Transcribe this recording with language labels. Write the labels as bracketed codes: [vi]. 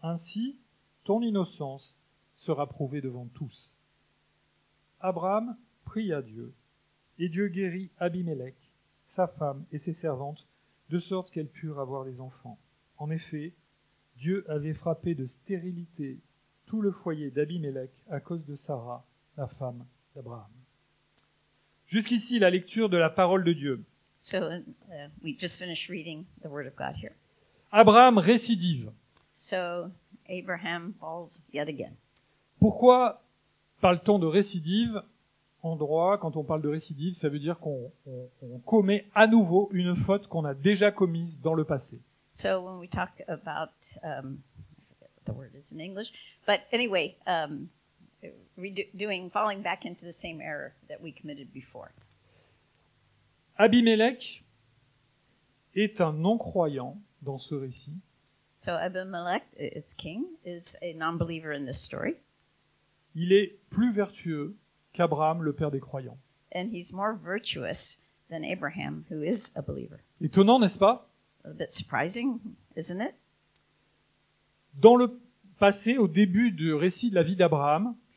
[fr] Ainsi, ton innocence sera prouvée devant tous. » Abraham pria Dieu, et Dieu guérit Abimélec, sa femme et ses servantes, de sorte qu'elles purent avoir des enfants. En effet, Dieu avait frappé de stérilité tout le foyer d'Abimélec à cause de Sarah, la femme d'Abraham. Jusqu'ici, la lecture de la parole de Dieu. [en] So, we just finished reading the word of God here. [fr] Abraham récidive. [en] So, Abraham falls yet again. [fr] Pourquoi parle-t-on de récidive ? En droit, quand on parle de récidive, ça veut dire qu'on commet à nouveau une faute qu'on a déjà commise dans le passé. [en] So, when we talk about, I forget what the word is in English, but anyway, redoing, falling back into the same error that we committed before. [fr] Abimélec est un non-croyant dans ce récit. [en] So Abimelech, its king, is a non-believer in this story. [fr] Il est plus vertueux qu'Abraham, le père des croyants. [en] And he's more virtuous than Abraham, who is a believer. [fr] Étonnant, n'est-ce pas? [en] A bit surprising, isn't it? [fr] Dans le passé, au début du récit de la vie d'Abraham,